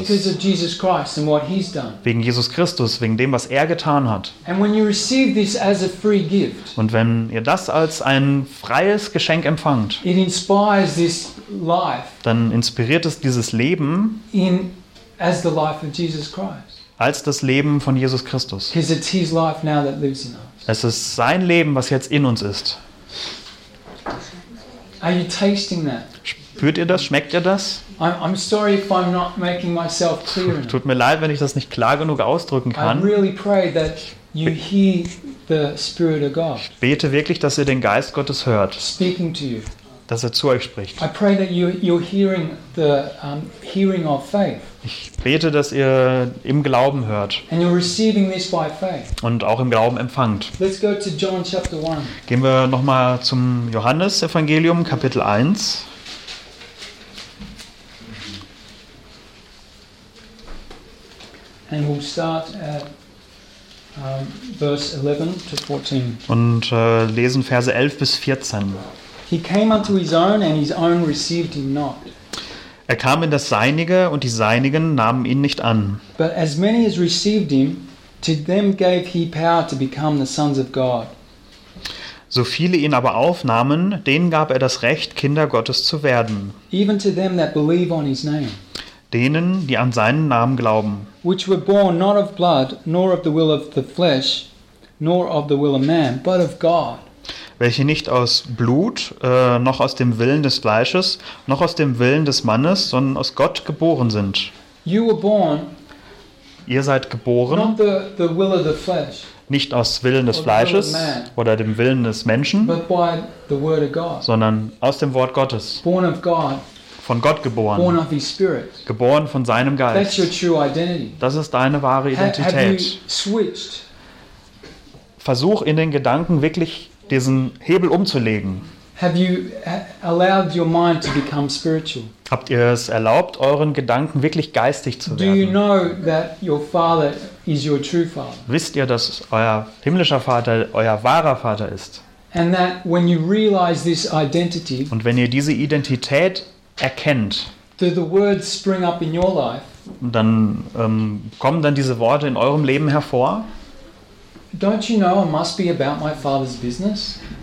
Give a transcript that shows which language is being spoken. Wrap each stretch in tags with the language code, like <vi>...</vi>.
<en>Because of Jesus Christ and what he's done.</en> <de>Wegen Jesus Christus, wegen dem, was er getan hat.</de> <en>And when you receive this as a free gift,</en> <de>und wenn ihr das als ein freies Geschenk empfangt,</de> <en>it inspires this life,</en> <de>dann inspiriert es dieses Leben</de> <en>in, as the life of Jesus Christ.</en> <de>Als das Leben von Jesus Christus.</de> <en>It's his life now that lives in us.</en> <de>Es ist sein Leben, was jetzt in uns ist.</de> <en>Are you tasting that?</en> <de>Spürt ihr das? Schmeckt ihr das?</de> <en>I'm sorry if I'm not making myself clear.</en> <de>Tut mir leid, wenn ich das nicht klar genug ausdrücken kann.</de> <en>I really pray that you hear the Spirit of God.</en> <de>Ich bete wirklich, dass ihr den Geist Gottes hört.</de> <en>Speaking to you.</en> <de>Dass er zu euch spricht.</de> <en>I pray that you're hearing the hearing of faith.</en> <de>Ich bete, dass ihr im Glauben hört.</de> <en>And you're receiving this by faith.</en> <de>Und auch im Glauben empfangt.</de> <en>Let's go to John chapter 1.</en> <de>Gehen wir nochmal zum Johannesevangelium, Kapitel 1.</de> <en>And we'll start at verse 11 to 14.</en> <de>Und lesen Verse 11 bis 14.</de> <en>He came unto his own, and his own received him not.</en> <de>Er kam in das Seinige und die Seinigen nahmen ihn nicht an.</de> <en>But as many as received him, to them gave he power to become the sons of God.</en> <de>So viele ihn aber aufnahmen, denen gab er das Recht, Kinder Gottes zu werden.</de> <en>Even to them that believe on his name.</en> <de>Denen, die an seinen Namen glauben.</de> <en>Which were born not of blood, nor of the will of the flesh, nor of the will of man, but of God.</en> <de>Welche nicht aus Blut, noch aus dem Willen des Fleisches, noch aus dem Willen des Mannes, sondern aus Gott geboren sind.</de> <en>You were born,</en> <de>ihr seid geboren,</de> <en>not the will of the flesh,</en> <de>nicht aus Willen des Fleisches</de> <en>will man,</en> <de>oder dem Willen des Menschen,</de> <en>but by the word of God,</en> <de>sondern aus dem Wort Gottes,</de> <en>born of God,</en> <de>von Gott geboren,</de> <en>born of his Spirit,</en> <de>geboren von seinem Geist.</de> <en>That's your true identity.</en> <de>Das ist deine wahre Identität. Versuch in den Gedanken wirklich diesen Hebel umzulegen.</de> <en>Have you allowed your mind to become spiritual?</en> <de>Habt ihr es erlaubt, euren Gedanken wirklich geistig zu werden?</de> <en>Do you know that your father is your true father?</en> <de>Wisst ihr, dass euer himmlischer Vater euer wahrer Vater ist?</de> <en>And that when you realize this identity,</en> <de>und wenn ihr diese Identität erkennt,</de> <en>do the words spring up in your life,</en> <de>dann kommen dann diese Worte in eurem Leben hervor.</de> <en>Don't you know I must be about my father's business?</en>